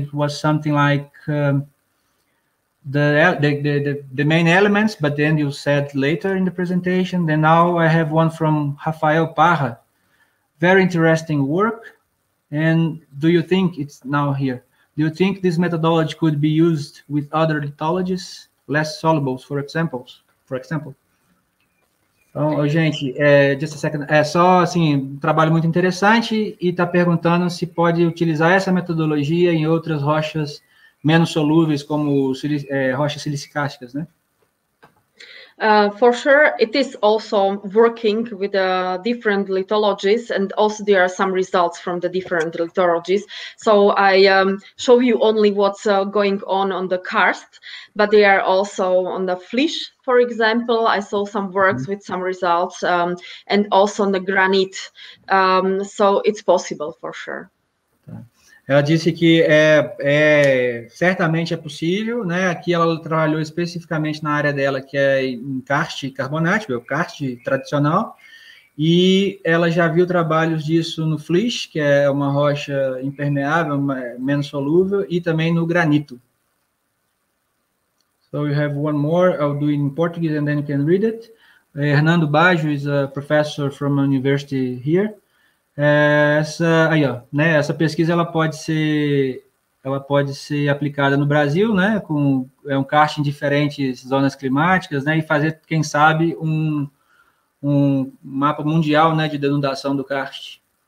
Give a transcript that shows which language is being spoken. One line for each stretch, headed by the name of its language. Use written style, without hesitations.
English: It was something like the main elements, but then you said later in the presentation. Then now I have one from Rafael Parra. Very interesting work. And do you think it's now here? Do you think this methodology could be used with other lithologies, less solubles, for example?
Portuguese: Então, gente,
English: just a second.
Portuguese: É só, assim, um trabalho muito interessante e está perguntando se pode utilizar essa metodologia em outras rochas menos solúveis, como rochas silicásticas, né?
English: For sure, it is also working with different lithologies, and also there are some results from the different lithologies. So I show you only what's going on the karst, but they are also on the flysch, for example. I saw some works mm-hmm. with some results, and also on the granite. So it's possible for sure.
Portuguese: Ela disse que certamente é possível, né? Aqui ela trabalhou especificamente na área dela, que é em karst carbonático, é o karst tradicional, e ela já viu trabalhos disso no flysch, que é uma rocha impermeável, menos solúvel, e também no granito.
English: So we have one more. I'll do it in Portuguese and then you can read it. Hernando Baggio is a professor from a university here.
Portuguese: Essa pesquisa ela pode ser aplicada no Brasil, né, com um caixa em diferentes zonas climáticas, né, e fazer, quem sabe, um mapa mundial, né, de denudação do karst.